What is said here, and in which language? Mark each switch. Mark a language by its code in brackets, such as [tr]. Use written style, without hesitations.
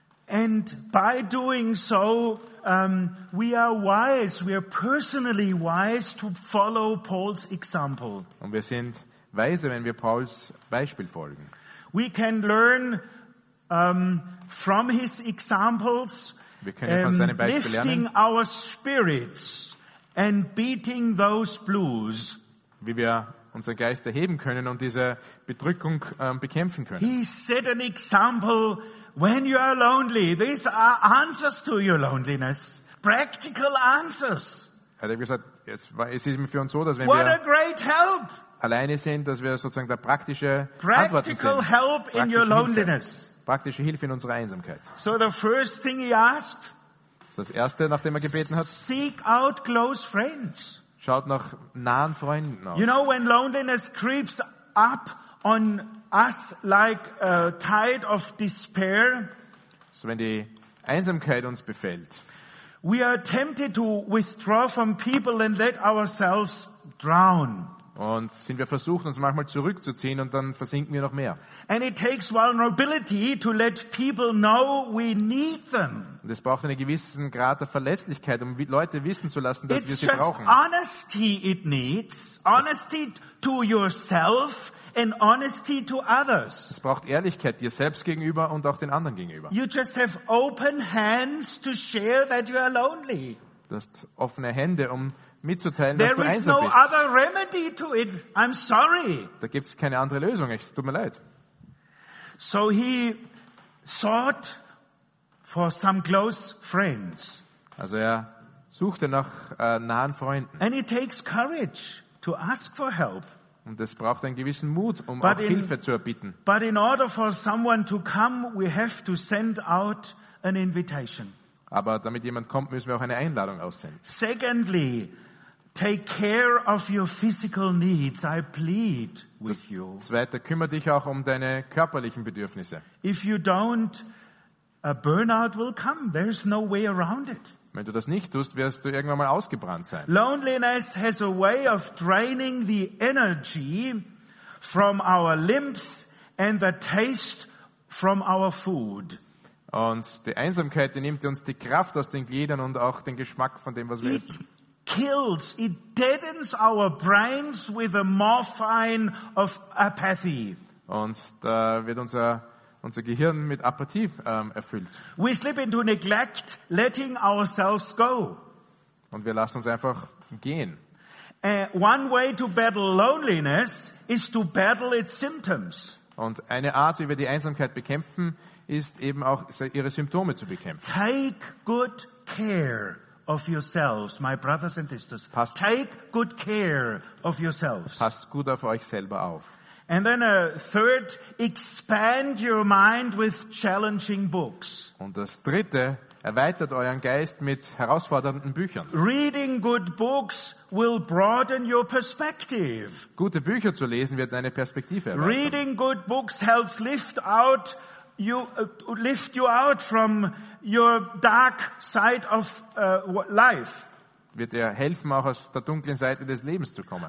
[en] And by doing so, we are wise. We are personally wise to follow Paul's example. [de] Und wir sind weise, wenn wir Pauls Beispiel folgen. [en] We can learn from his examples. [de] Wir können von seinem Beispiel lernen. [en] Lifting our spirits and beating those blues. [de] Wie wir unseren Geist erheben können und diese Bedrückung bekämpfen können. [en] He set an example. When you are lonely, these are answers to your loneliness. Practical answers. [de] Hat er gesagt, es ist für uns so, dass wenn [en] what [de] wir [en] a great help. [de] Alleine sind, dass wir sozusagen der praktische [en] practical [de] Antworten sind. [en] Practical help in your loneliness. [de] Hilfe. Praktische Hilfe in unserer Einsamkeit. [en] So the first thing he asked. [de] Das erste, nachdem er gebeten hat. [en] Seek out close friends. [de] Schaut nach nahen Freunden aus. [en] You know, when loneliness creeps up on us like a tide of despair. [de] So wenn die Einsamkeit uns befällt, [en] we are tempted to withdraw from people and let ourselves drown. [de] Und sind wir versucht, uns manchmal zurückzuziehen und dann versinken wir noch mehr. [en] And it takes vulnerability to let people know we need them. [de] Und es braucht einen gewissen Grad der Verletzlichkeit, um Leute wissen zu lassen, dass [en] it's [de] wir sie brauchen. [en] It's just honesty it needs. Honesty to yourself. And honesty to others. [de] Es braucht Ehrlichkeit dir selbst gegenüber und auch den anderen gegenüber. [en] You just have open hands to share that you are lonely. [de] Du hast offene Hände, um mitzuteilen, [en] there [de] dass du einsam [en] no [de] bist. [en] There is no other remedy to it. I'm sorry. [de] Da gibt's keine andere Lösung. Es tut mir leid. [en] So he sought for some close friends. [de] Also er suchte nach nahen Freunden. [en] And it takes courage to ask for help. [de] Und es braucht einen gewissen Mut, um auch Hilfe zu erbitten. [en] But in order for someone to come, we have to send out an invitation. [de] Aber damit jemand kommt, müssen wir auch eine Einladung aussenden. [en] Secondly, take care of your physical needs. I plead with you. [de] Zweiter, kümmere dich auch um deine körperlichen Bedürfnisse. [en] If you don't, a burnout will come. There's no way around it. [de] Wenn du das nicht tust, wirst du irgendwann mal ausgebrannt sein. [en] Loneliness has a way of draining the energy from our limbs and the taste from our food. [de] Und die Einsamkeit, die nimmt uns die Kraft aus den Gliedern und auch den Geschmack von dem, was wir [en] it [de] essen. [en] Kills, it deadens our brains with a morphine of apathy. [de] Und da wird unser Gehirn mit Apathie erfüllt. [en] We slip into neglect, letting ourselves go. [de] Und wir lassen uns einfach gehen. [en] One way to battle loneliness is to battle its symptoms. [de] Und eine Art, wie wir die Einsamkeit bekämpfen, ist eben auch ihre Symptome zu bekämpfen. [en] Take good care of yourselves, my brothers and sisters. Take good care of yourselves. [de] Passt gut auf euch selber auf. [en] And then a third, expand your mind with challenging books. [de] Und das dritte, erweitert euren Geist mit herausfordernden Büchern. [en] Reading good books will broaden your perspective. [de] Gute Bücher zu lesen wird deine Perspektive erweitern. [en] Reading good books helps lift you out from your dark side of life. [de] Wird dir helfen, auch aus der dunklen Seite des Lebens zu kommen.